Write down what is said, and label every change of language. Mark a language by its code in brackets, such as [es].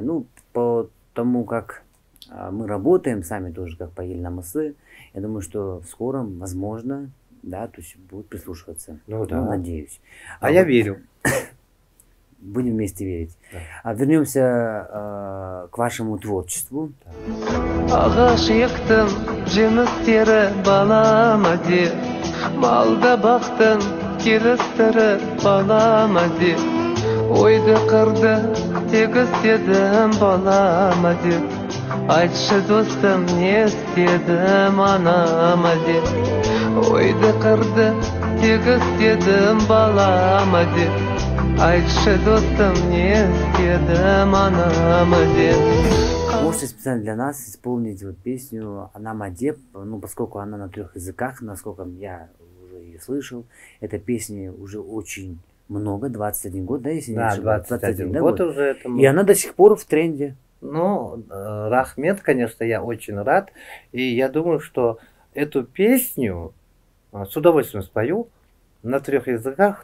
[ru] Ну, по тому, как мы работаем сами тоже, как поели на мысы, я думаю, что в скором, возможно, да, то есть будут прислушиваться. Ну да. Ну, надеюсь. А я вот верю. Будем вместе верить. Да. А вернемся к вашему творчеству. [kk] Ағаш ектің жемістері балама де, малда бақтың келістері балама де, ойды қырды тегістедім балама де, айтшы достым не істедім анама де, ойды қырды тегістедім балама де, айтшы достым не істедім анама де. [ru] Можете специально для нас исполнить вот песню «Анама де», ну, поскольку она на трех языках, насколько я уже ее слышал, эта песня уже очень много, 21 год, да, если не ошибаюсь? Да, 21 год уже этому. И она до сих пор в тренде. Ну, рахмет, конечно, я очень рад. И я думаю, что эту песню с удовольствием спою на трех языках.